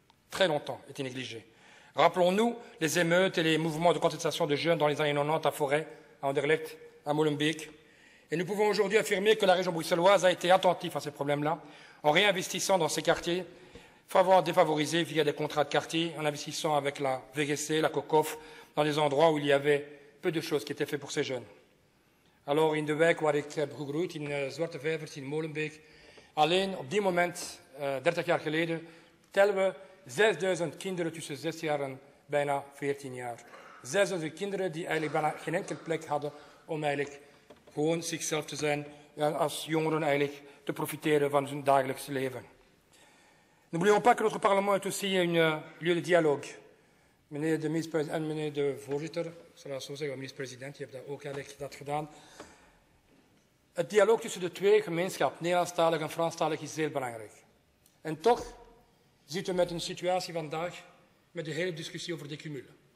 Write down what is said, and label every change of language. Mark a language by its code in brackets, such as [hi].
[fr] Très longtemps été négligés. Rappelons-nous les émeutes et les mouvements de contestation de jeunes dans les années 90 à Forêt, à Anderlecht, à Molenbeek. Et nous pouvons aujourd'hui affirmer que la région bruxelloise a été attentive à ces problèmes-là, en réinvestissant dans ces quartiers, favoriser défavorisés via des contrats de quartier, en investissant avec la VGC, la COCOF, dans des endroits où il y avait peu de choses qui étaient faites pour ces jeunes. [nl] Alors, in de wijk waar ik groeit, in Zwarte Vijvers, in Molenbeek, alleen op die moment, 30 jaar geleden, tellen we 6000 kinderen tussen 6 jaar en bijna 14 jaar. 6000 kinderen die eigenlijk bijna geen enkele plek hadden om eigenlijk gewoon zichzelf te zijn, als jongeren eigenlijk te profiteren van hun dagelijks leven. [fr] N'oublions pas que notre Parlement est aussi un lieu de dialogue. [nl] Meneer de minister-president, meneer de voorzitter, zal ik zo zeggen, minister-president, je hebt dat ook eigenlijk dat gedaan. Het dialoog tussen de twee gemeenschappen, Nederlandstalig en Franstalig, is zeer belangrijk. En toch zitten we met een situatie vandaag met de hele discussie over de cumul.